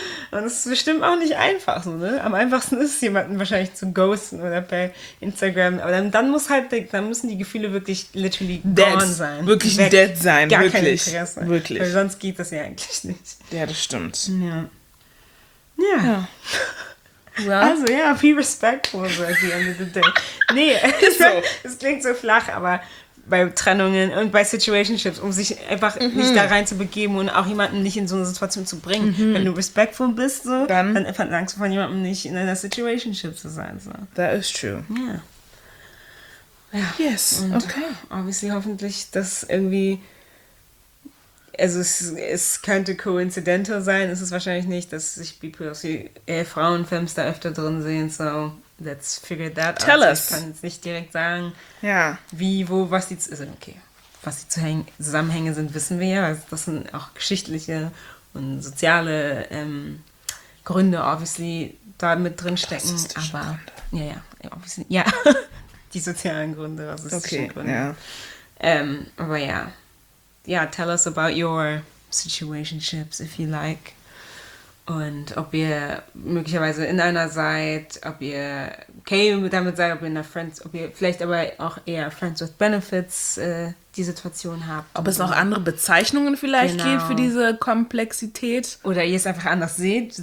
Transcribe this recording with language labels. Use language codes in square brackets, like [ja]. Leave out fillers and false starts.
[de] Und es ist bestimmt auch nicht einfach so, ne? Am einfachsten ist es, jemanden wahrscheinlich zu ghosten oder per Instagram. Aber dann müssen die Gefühle wirklich [en] literally dead gone [de] sein. Wirklich weg. Dead sein, gar wirklich. Kein Interesse. Wirklich. Weil sonst geht das ja eigentlich nicht. Ja, das stimmt. Ja. Ja. Well. Also ja, [en] be respectful so at the end of the day. [de] Nee, es klingt so flach, aber bei Trennungen und bei Situationships, um sich einfach nicht da rein zu begeben und auch jemanden nicht in so eine Situation zu bringen. Mhm. Wenn du respectful bist, so, dann verlangst du von jemandem nicht in einer Situationship zu sein. So. [en] That is true. Yeah. Ja. Yes, [de] und [en] okay. [de] Obviously hoffentlich, dass irgendwie, also es könnte coincidental sein, ist es wahrscheinlich nicht, dass sich Frauenfilms da öfter drin sehen, so. [en] Let's figure that out. Tell us. [de] Ich kann jetzt nicht direkt sagen, wie, wo, was die, was die Zusammenhänge sind, wissen wir ja. Also das sind auch geschichtliche und soziale Gründe, obviously, da mit drinstecken. Aber Gründe. Ja, obviously, ja. Die sozialen Gründe, rassistische Gründe. Aber ja. Ja, [en] tell us about your situationships, if you like. [de] Und ob ihr möglicherweise in einer seid, ob ihr okay damit seid, ob ihr in der Friends, ob ihr vielleicht aber auch eher Friends with Benefits die Situation habt. Ob es noch andere Bezeichnungen vielleicht gibt für diese Komplexität. Oder ihr es einfach anders seht.